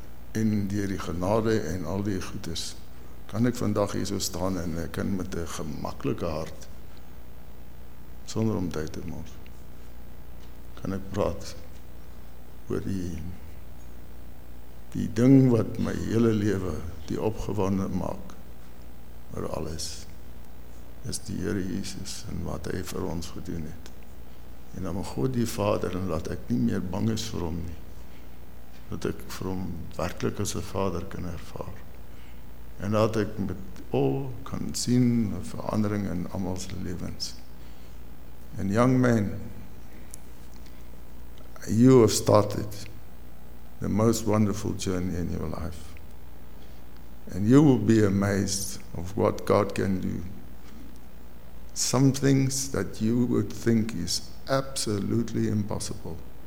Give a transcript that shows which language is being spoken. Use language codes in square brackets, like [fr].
[af] En deur die genade en al die goedes, kan ek vandag hier so staan en ek kan met 'n gemaklike hart, sonder om tyd te mors, kan ek praat oor die ding wat my hele lewe die opgewonde maak, oor alles, is die Heere Jesus en wat hy vir ons gedoen het. En dan God die Vader en laat ek nie meer bang is vir hom nie, dat ek vir hom werkelijk as 'n vader kan ervaar. En dat ek met al kan sien een verandering in amals levens. [en] En young man, you have started the most wonderful journey in your life. And you will be amazed of what God can do. Some things that you would think is absolutely impossible,